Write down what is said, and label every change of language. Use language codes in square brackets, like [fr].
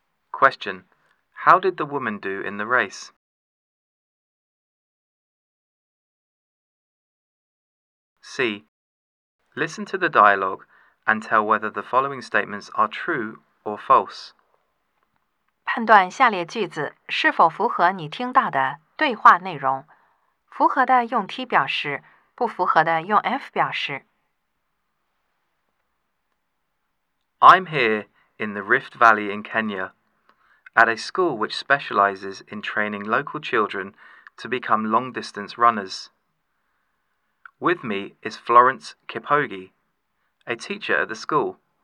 [en] Question. How did the woman do in the race? C. Listen to the dialogue and tell whether the following statements are true or false. [zh] 判断下列句子是否符合你听到的对话内容。符合的用 T 表示，不符合的用 F 表示。 [en] I'm here in the Rift Valley in Kenya, at a school which specializes in training local children to become long-distance runners. With me is Florence Kipogi, a teacher at the school.